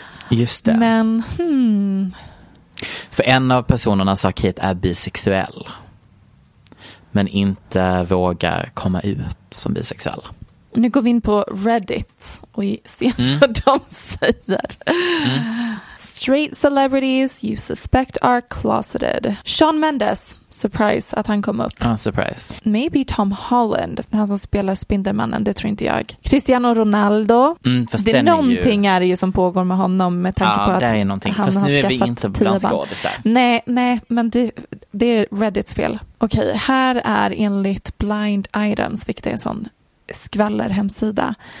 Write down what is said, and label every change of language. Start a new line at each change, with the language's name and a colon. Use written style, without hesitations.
Swedish: Just det. Men för en av personerna sa Kate är bisexuell, men inte vågar komma ut som bisexuell. Nu går vi in på Reddit och ser vad de säger.
English: Straight celebrities you suspect are closeted.
Swedish: Shawn Mendes, surprise att han kom upp.
English: Surprise.
Swedish: Maybe Tom Holland, han som spelar Spindelmannen, det tror inte jag. Cristiano Ronaldo. Det är någonting är det ju som pågår med honom med tanke på att det är någonting. Han fast har nu är vi inte bland skådisar. Nej, men det är Reddits fel. Okej, här är enligt Blind Items, vilket är en sån skvaller hemsida.